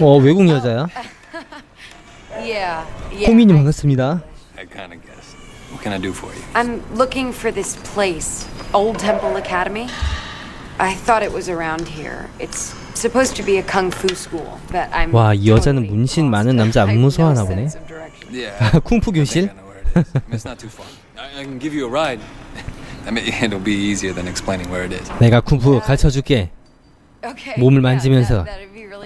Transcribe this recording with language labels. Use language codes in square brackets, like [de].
[ko] 어, 외국 여자야? [en] Yeah. [ko] 호미님 반갑습니다. [en] I kind of guess. What can I do for you? I'm looking for this place, Old Temple Academy. I thought it was around here. It's supposed to be a kung fu school, but I'm. [ko] 와, 이 여자는 문신 많은 남자 안 무서워하나 보네. [en] Yeah. [ko] 쿵푸 교실? [en] It's not too far. I can give you a ride. I mean, it'll be easier than explaining where it is. [ko] 내가 쿵푸 가르쳐 줄게. [en] Okay, [ko] 몸을 만지면서 [en] 아아아 yeah, really